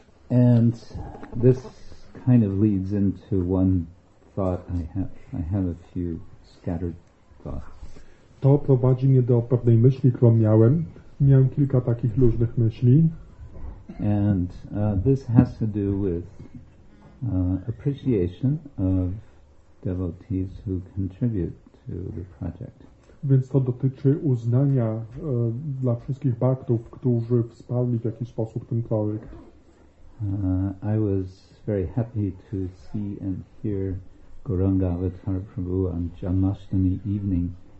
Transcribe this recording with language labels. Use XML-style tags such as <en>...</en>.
<en>And this kind of leads into one thought. I have a few scattered thoughts.</en> <pl>To prowadzi mnie do pewnej myśli, którą miałem. Miałem kilka takich różnych myśli.</pl> <en>And this has to do with appreciation of devotees who contribute to the project.</en> <pl>Więc to dotyczy uznania dla wszystkich bhaktów, którzy wsparli w jakiś sposób ten projekt.</pl> <en>I was very happy to see and hear Gauranga Avatar Prabhu on Janmashtami evening.</en>